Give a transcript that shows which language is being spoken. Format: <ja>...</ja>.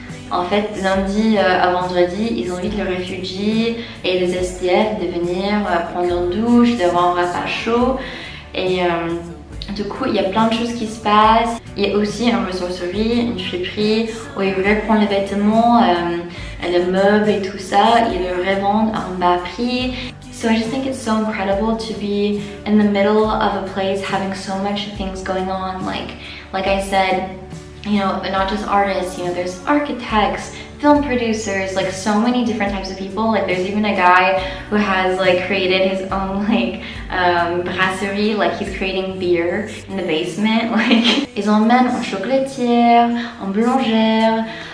<fr>En fait, lundi à vendredi, ils invitent les réfugiés et les SDF de venir prendre une douche, d'avoir un repas chaud. Et du coup, il y a plein de choses qui se passent. Il y a aussi une ressourcerie, une friperie où ils reprennent les vêtements, les meubles et tout ça. Ils le revendent à un bas prix.</fr> <en>So I just think it's so incredible to be in the middle of a place having so much things going on. Like I said, you know, not just artists, you know, there's architects, film producers, like so many different types of people. Like there's even a guy who has like created his own like brasserie, like he's creating beer in the basement.</en> <fr>Like ils ont même un chocolatière, un boulanger.</fr>